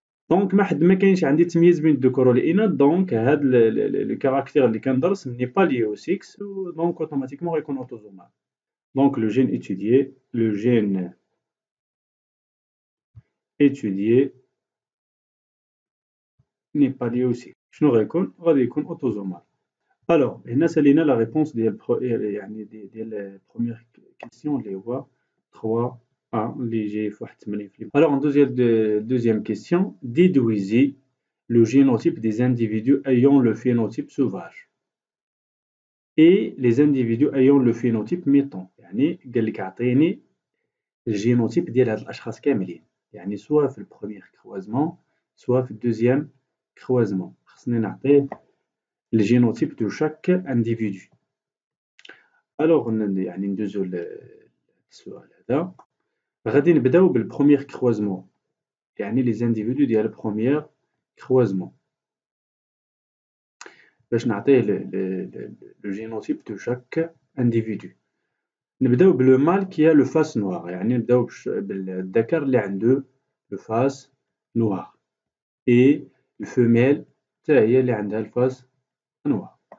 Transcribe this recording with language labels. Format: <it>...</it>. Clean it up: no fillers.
<ar>دونك ما حد ما كاينش عندي تمييز بين الذكور والاناث، دونك هاد لو كاركتير اللي كندرس ني با لي او 6، دونك اوتوماتيكمون غيكون اوتوزومال. دونك لو جين ايتيدي، لو جين ايتيدي ني با لي او 6، شنو غيكون؟ غادي يكون اوتوزومال. الوغ هنا سالينا لا ريبونس ديال يعني ديال بروميير كيسيون اللي هو 3</ar> <fr>Alors, en deuxième question, déduisez le génotype des individus ayant le phénotype sauvage et les individus ayant le phénotype mettant. C'est-à-dire, le génotype de l'achras kamelin. C'est-à-dire, soit le premier croisement, soit le deuxième croisement. C'est-à-dire, le génotype de chaque individu. Alors, on a une deuxième question.</fr> <ar>غادي نبداو بالبروميير كروازمون، يعني لي زانديفيدو ديال البروميير كروازمون، باش نعطيه لو جينوتيب دو شاك انديفيدو. نبداو بلو مال كيا لو فاس نوار، يعني نبداو بالذكر اللي عنده لو فاس نوار، اي الفوميل حتى هي اللي عندها الفاس نوار.</ar>